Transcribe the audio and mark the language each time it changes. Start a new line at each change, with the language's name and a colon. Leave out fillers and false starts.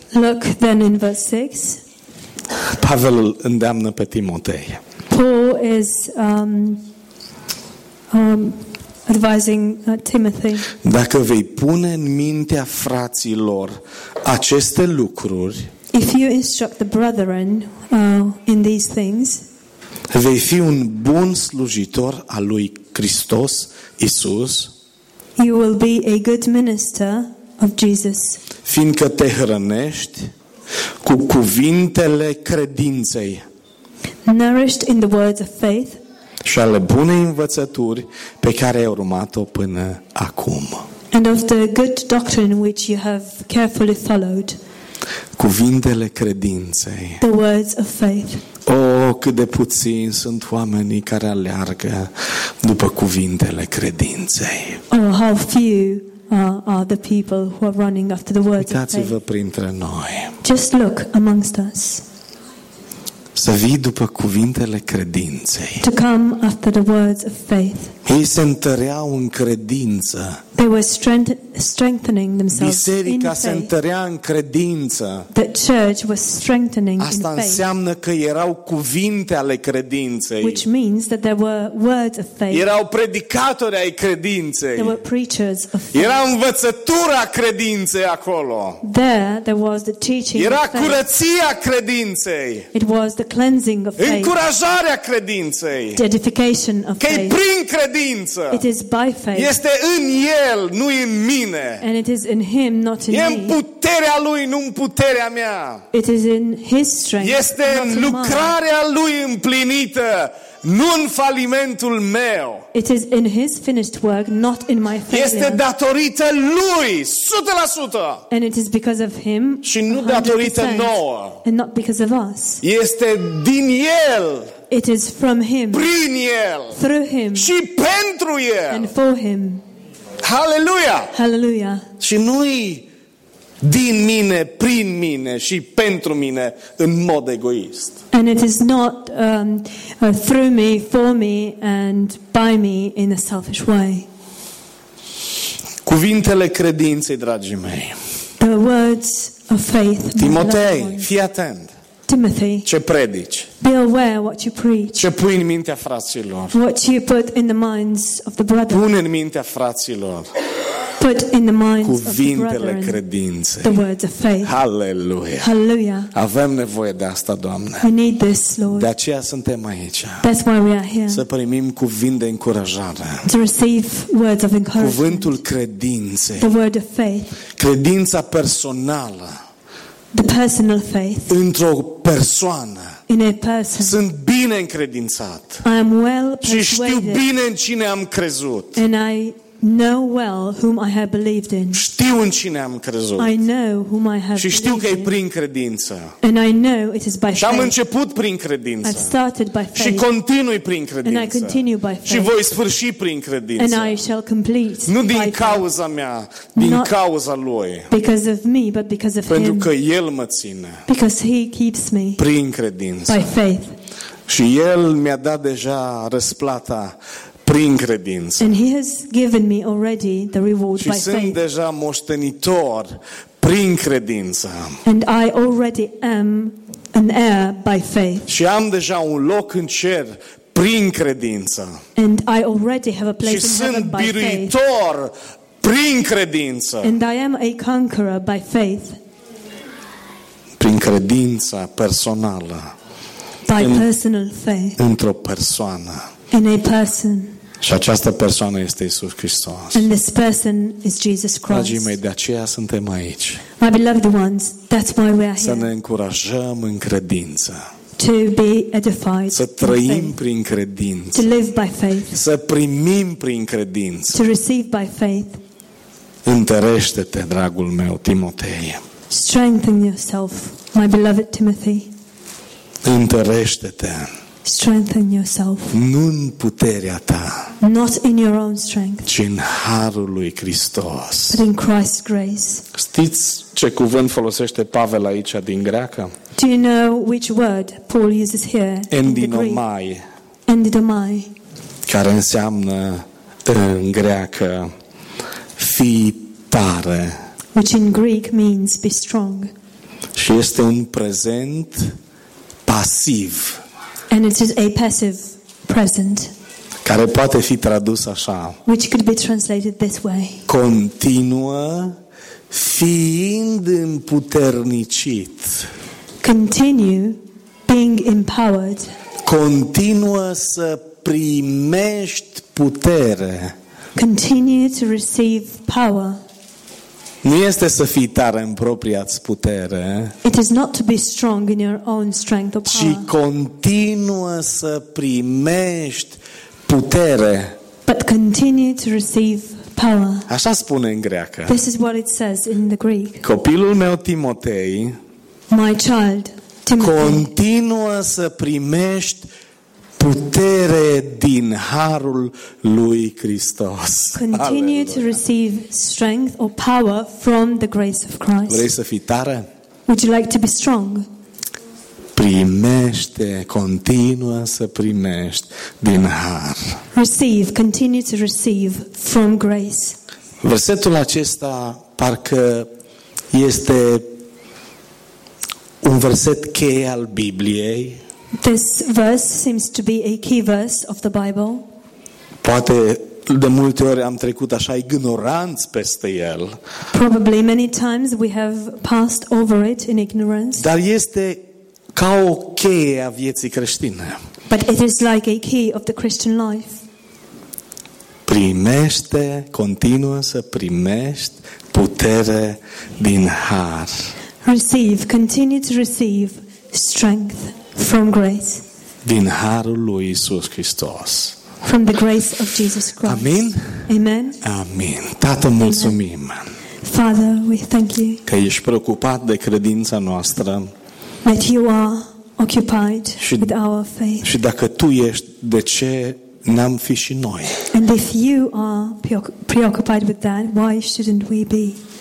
English: Look then in verse 6.
Romanian: Pavel îndeamnă pe Timotei.
English: Paul is advising Timothy.
Romanian: Dacă vei pune în mintea fraților aceste lucruri,
English: if you instruct the brethren in these things,
Romanian: vei fi un bun slujitor al lui Hristos Isus.
English: You will be a good minister of Jesus.
Romanian: Fiindcă te hrănești cu cuvintele credinței.
English: Nourished in the words of faith.
Romanian: Și ale bune învățături pe care ai urmat-o până acum.
English: And of the good doctrine which you have carefully followed.
Romanian: Cuvintele credinței.
English: The words of faith.
Romanian: Oh, cât de puțini sunt oamenii care aleargă după cuvintele credinței.
English: Oh, how few are the people who are running after the words of faith.
Romanian: Uitați-vă printre noi.
English: Just look amongst us.
Romanian: Să vii după cuvintele credinței.
English: To come after the words of faith.
Romanian: Ei se întăreau în credință.
English: They were strengthening themselves.
Romanian: Biserica se întărea în credință.
English: The church was strengthening in faith.
Romanian: Asta înseamnă că erau cuvinte ale credinței.
English: Which means that there were words of faith.
Romanian: Erau predicatori ai credinței.
English: There were preachers of faith.
Romanian: Era învățătura credinței acolo.
English: There was the teaching.
Romanian: Era curăția credinței.
English: It was the cleansing of faith.
Romanian: Încurajarea credinței.
English: The edification of faith.
Romanian: Că e prin credință.
English: It is by faith.
Romanian: Este în El, nu în mine.
English: And it is in him, not in me.
Romanian: E în puterea lui, nu în puterea mea.
English: It is in his strength.
Romanian: Este
English: not
Romanian: în lucrarea
English: in mine.
Romanian: Lui împlinită, nu în falimentul meu.
English: It is in his finished work, not in my failure.
Romanian: Este datorită lui, 100%.
English: And it is because of him.
Romanian: Și nu datorită nouă.
English: And not because of us.
Romanian: Este din El.
English: It is from him.
Romanian: Prin El.
English: Through him.
Romanian: Și pentru El.
English: And for him.
Romanian: Hallelujah.
English: Hallelujah.
Romanian: Și nu-i din mine, prin mine și pentru mine în mod egoist.
English: And it is not through me, for me and by me in a selfish way.
Romanian: Cuvintele credinței, dragii mei.
English: The words of faith.
Romanian: Timotei, fii atent.
English: Timothy,
Romanian: ce predici?
English: Be aware what you preach.
Romanian: Ce pui în mintea fraților?
English: What you put in the minds of the brethren.
Romanian: Pune în mintea fraților.
English: Put in the minds
Romanian: cuvintele
English: of the
Romanian: credinței.
English: The words of faith.
Romanian: Hallelujah.
English: Hallelujah.
Romanian: Avem nevoie de asta, Doamne.
English: We need this, Lord.
Romanian: De aceea suntem aici.
English: That's why we are here.
Romanian: Să primim cuvinte de încurajare.
English: To receive words of encouragement.
Romanian: Cuvântul credinței.
English: The word of faith.
Romanian: Credința personală.
English: The personal faith.
Romanian: Într-o persoană.
English: In a person.
Romanian: Sunt bine încredințat.
English: I am well persuaded.
Romanian: Și știu bine în cine am crezut.
English: And I know well whom I have believed in.
Romanian: Știu în cine am crezut.
English: I know whom I have believed in.
Romanian: Și știu că e prin credință.
English: And I know it is by faith.
Romanian: Și am început prin credință.
English: I've started by faith.
Romanian: Și continui prin credință.
English: And I continue by faith.
Romanian: Și voi sfârși prin credință.
English: And I shall complete.
Romanian: Nu din cauza mea, din cauza lui.
English: Because of me, but because of him.
Romanian: Pentru că el mă ține.
English: Because he keeps me.
Romanian: Prin credință.
English: By faith.
Romanian: Și el mi-a dat deja răsplata. Prin credință.
English: And he has given me already the reward
Romanian: și
English: by faith.
Romanian: Și sunt deja moștenitor prin credință.
English: And I already am an heir by faith.
Romanian: Și am deja un loc în cer prin credință.
English: And I already have a place
Romanian: și
English: in heaven
Romanian: sunt
English: by
Romanian: biruitor
English: faith.
Romanian: Prin credință.
English: And I am a conqueror by faith.
Romanian: Prin credința personală.
English: By
Romanian: în,
English: personal faith.
Romanian: Într-o persoană.
English: In a person.
Romanian: Și această persoană este Iisus Hristos.
English: And this person is Jesus Christ.
Romanian: Dragii mei, de aceea suntem aici.
English: My beloved ones, that's why we are here.
Romanian: Să ne încurajăm în credință.
English: To be edified.
Romanian: Să trăim
English: by faith.
Romanian: Prin credință.
English: To live by faith.
Romanian: Să primim prin credință.
English: To receive by faith.
Romanian: Întărește-te, dragul meu, Timotei.
English: Strengthen yourself, my beloved Timothy.
Romanian: Întărește-te.
English: Strengthen yourself.
Romanian: Nu în puterea ta.
English: Not in your own strength.
Romanian: Ci în harul lui Hristos.
English: But in Christ's grace.
Romanian: Știți ce cuvânt folosește Pavel aici din greacă?
English: Do you know which word Paul uses here?
Romanian: Endinomai.
English: Endinomai.
Romanian: Care înseamnă în greacă fii tare.
English: Which in Greek means be strong.
Romanian: Și este un prezent pasiv.
English: And it is a passive present.
Romanian: Care poate fi tradus așa.
English: Which could be translated this way.
Romanian: Continuă fiind împuternicit.
English: Continue being empowered.
Romanian: Continuă să primești putere.
English: Continue to receive power.
Romanian: Nu este să fii tare în propria-ți putere.
English: It is not to be strong in your own strength or power.
Romanian: Ci continuă să primești putere.
English: But continue to receive power.
Romanian: Așa spune în greacă.
English: This is what it says in the Greek.
Romanian: Copilul meu Timotei.
English: My child Timothy.
Romanian: Continuă să primești putere din harul lui Hristos.
English: Continue
Romanian: Aleluia.
English: To receive strength or power from the grace of Christ.
Romanian: Vrei să fii tare?
English: Would you like to be strong?
Romanian: Primește, continuă să primești din har.
English: Receive, continue to receive from grace.
Romanian: Versetul acesta parcă este un verset cheie al Bibliei.
English: This verse seems to be a key verse of the Bible.
Romanian: Poate de multe ori am trecut așa ignoranți peste el.
English: Probably many times we have passed over it in ignorance.
Romanian: Dar este ca o cheie a vieții creștine.
English: But it is like a key of the Christian life.
Romanian: Primește, continuă să primești putere din har.
English: Receive, continue to receive strength from grace.
Romanian: Din harul lui Iisus Hristos.
English: From the grace of Jesus Christ.
Romanian: Amin.
English: Amen.
Romanian: Amin. Tată, mulțumim.
English: Father, we thank you.
Romanian: Că ești preocupat de credința noastră.
English: That you are occupied
Romanian: și,
English: with our faith.
Romanian: Și dacă tu ești, de ce n-am fi și noi?
English: And if you are preoccupied with that, why shouldn't we be?